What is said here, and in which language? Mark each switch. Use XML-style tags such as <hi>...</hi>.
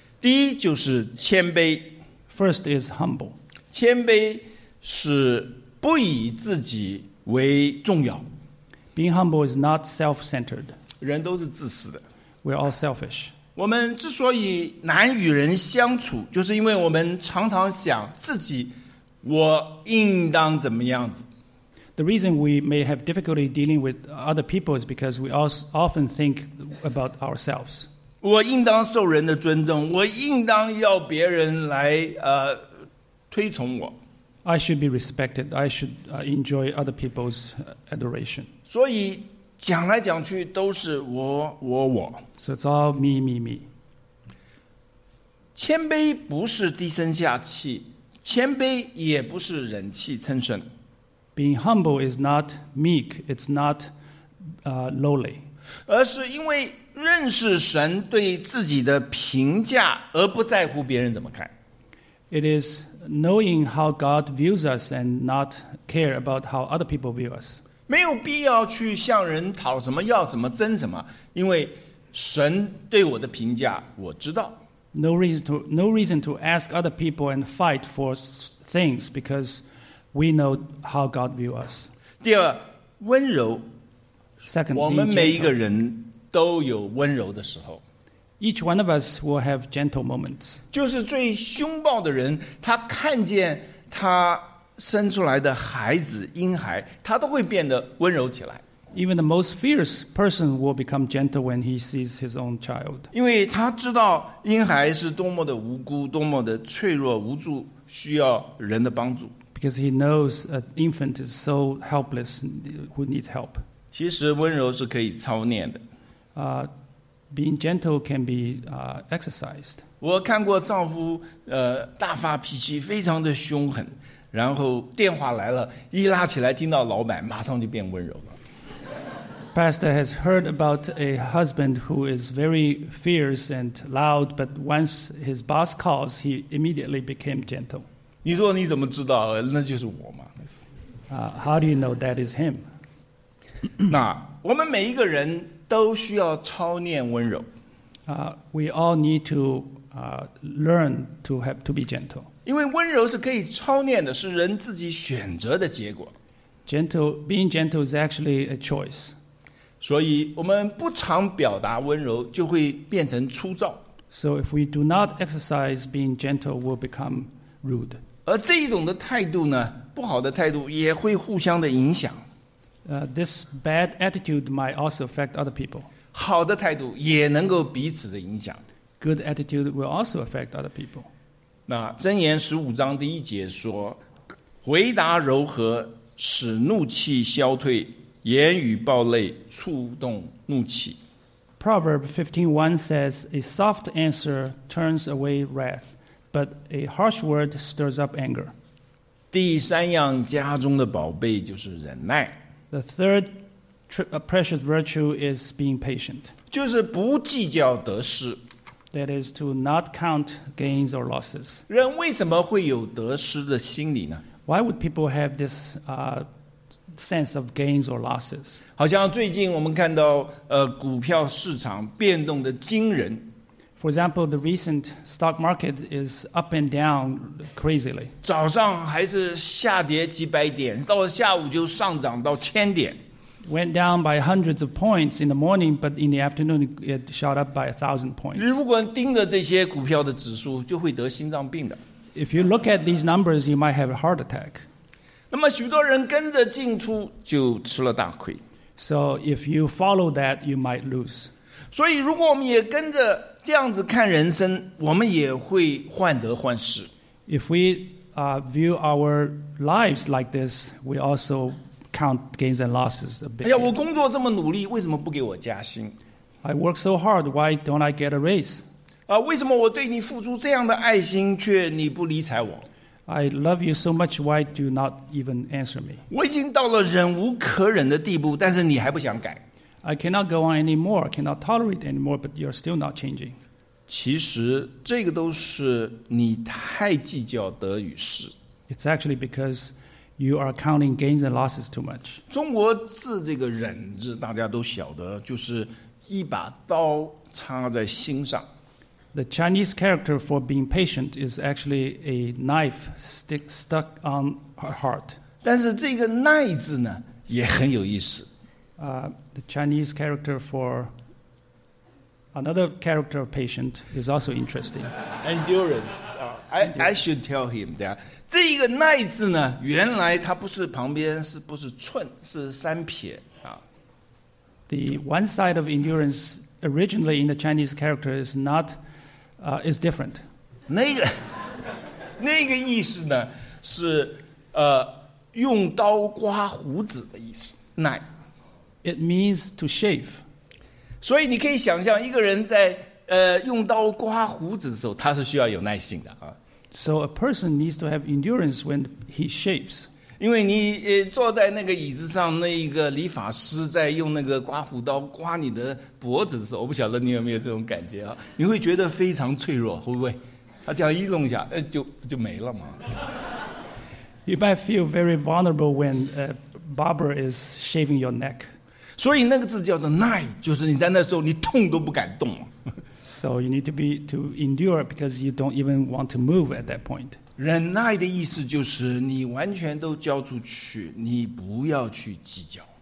<zh>第一就是谦卑。</zh> <en>First is humble.</en> <zh>谦卑是不以自己为重要。</zh> <en>Being humble is not self-centered.</en> <zh>人都是自私的。</zh> <en>We're all selfish.</en> <zh>我们之所以难与人相处，就是因为我们常常想自己，我应当怎么样子。</zh> <en>The reason we may have difficulty dealing with other people is because we also often think about ourselves.</en> <zh>我应当受人的尊重，我应当要别人来推崇我。</zh> <en>I should be respected. I should enjoy other people's adoration.</en> <zh>所以讲来讲去都是我我我。</zh> <en>So it's all me me me.</en> <zh>谦卑不是低声下气，谦卑也不是忍气吞声。</zh> <en>Being humble is not meek, it's not lowly.</en> <zh>而是因为认识神对自己的评价，而不在乎别人怎么看。</zh> <en>It is knowing how God views us and not care about how other people view us.</en> <zh>没有必要去向人讨什么，要什么，争什么，因为神对我的评价我知道。</zh> <en>No reason to ask other people and fight for things because we know how God views us.</en> <zh>第二，温柔。</zh> <en>Second,</en> <zh>我们每一个人都有温柔的时候。</zh> <en>Each one of us will have gentle moments.</en> <zh>就是最凶暴的人，他看见他生出来的孩子、婴孩，他都会变得温柔起来。</zh> <en>Even the most fierce person will become gentle when he sees his own child.</en> <zh>因为他知道婴孩是多么的无辜，多么的脆弱、无助，需要人的帮助。</zh> <en>Because he knows an infant is so helpless who needs help.</en> <zh>其实温柔是可以操练的。</zh> <en>Being gentle can be exercised.</en> <zh>我看过丈夫大发脾气，非常的凶狠，然后电话来了，一拉起来听到老板，马上就变温柔了。</zh> <en>Pastor has heard about a husband who is very fierce and loud, but once his boss calls, he immediately became gentle.</en> <zh>你说你怎么知道？那就是我嘛。</zh> <en>How do you know that is him?</en> <zh>那我们每一个人都需要操练温柔。</zh> <en>We all need to learn to have to be gentle.</en> <zh>因为温柔是可以操练的，是人自己选择的结果。</zh> <en>Being gentle is actually a choice.</en> <zh>所以我们不常表达温柔就会变成粗糙。</zh> <en>So if we do not exercise being gentle, we'll become rude.</en> <zh>而这一种的态度呢，不好的态度也会互相的影响。</zh> <en>This bad attitude might also affect other people.</en> <zh>好的态度也能够彼此的影响。</zh> <en>Good attitude will also affect other people.</en> <zh>那箴言十五章第一节说，回答柔和使怒气消退，言语暴戾触动怒气。</zh> <en>Proverb 15:1 says, "A soft answer turns away wrath, but a harsh word stirs up anger."</en> <zh>第三样家中的宝贝就是忍耐。</zh> <en>The third precious virtue is being patient.</en> <zh>就是不计较得失。</zh> <en>That is to not count gains or losses.</en> <zh>人为什么会有得失的心理呢？</zh> <en>Why would people have this sense of gains or losses?</en> <zh>好像最近我们看到股票市场变动的惊人。</zh> <en>For example, the recent stock market is up and down crazily.</en> <zh>早上还是下跌几百点，到了下午就上涨到千点。</zh> <en>Went down by hundreds of points in the morning, but in the afternoon it shot up by 1,000 points.</en> <zh>如果盯着这些股票的指数，就会得心脏病的。</zh> <en>If you look at these numbers, you might have a heart attack.</en> <zh>那么许多人跟着进出就吃了大亏。</zh> <en>So if you follow that, you might lose.</en> <zh>所以如果我们也跟着这样子看人生，我们也会患得患失。</zh> <en>If we view our lives like this, we also count gains and losses a bit.</en> <zh>哎呀，我工作这么努力，为什么不给我加薪</zh> <en>？I work so hard, why don't I get a raise?</en> <zh>为什么我对你付出这样的爱心，却你不理睬我？</zh> <en>I love you so much. Why do you not even answer me?</en> <zh>我已经到了忍无可忍的地步，但是你还不想改。</zh> <en>I cannot go on anymore. Cannot tolerate anymore. But you're still not changing.</en> <zh>其实这个都是你太计较得与失。</zh> <en>It's actually because you are counting gains and losses too much.</en> <zh>中国字这个忍字大家都晓得，就是一把刀插在心上。</zh> <en>The Chinese character for being patient is actually a knife stuck on her heart.</en> <zh>但是这个耐字呢，也很有意思。</zh> <en>The Chinese character for another character of patient is also interesting. Endurance. I should tell him that.</en> <zh>这一个耐字呢，原来它不是旁边是不是寸，是三撇啊。</zh> <en>The one side of endurance originally in the Chinese character is not, is different.</en> <zh>那个意思呢是用刀刮胡子的意思，耐。</zh> <en>It means to shave.</en> <zh>所以你可以想象一个人在用刀刮胡子的时候，他是需要有耐心的啊。</zh> <en>So a person needs to have endurance when he shaves.</en> <zh>因为你坐在那个椅子上，那一个理发师在用那个刮胡刀刮你的脖子的时候，我不晓得你有没有这种感觉啊？你会觉得非常脆弱，会不会？他这样一弄一下，就没了嘛。</zh> <en>You might feel very vulnerable when a barber is shaving your neck.</en> <zh>所以那个字叫做耐，就是你在那时候你痛都不敢动。</zh> <en>So you need to be to endure because you don't even want to move at that point.</en> <zh>忍耐的意思就是你完全都交出去，你不要去计较。</zh>